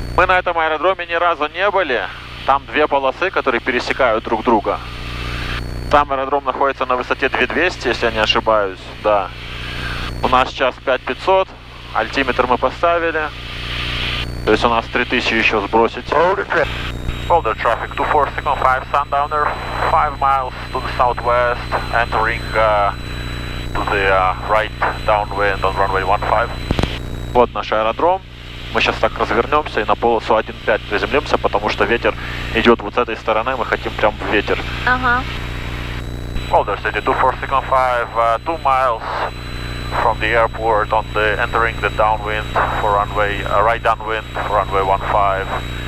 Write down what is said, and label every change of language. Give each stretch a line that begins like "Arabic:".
Russian: Мы на этом аэродроме ни разу не были. Там две полосы, которые пересекают друг друга. Там аэродром находится на высоте 2200, если я не ошибаюсь, да. У нас сейчас 5500, альтиметр мы поставили. То есть у нас 3000 еще сбросить.
English: Folder traffic 2465 Sundowner, 5 miles to the southwest, entering to the right downwind on runway 15.
Russian: Вот наш аэродром. Мы сейчас так развернемся и на полосу 1.5 приземлимся, потому что ветер идет вот с этой стороны, мы хотим прям в ветер. Ага.
English: Folder city 2465, 2 miles from the airport on the entering the downwind for runway, right downwind for runway 15.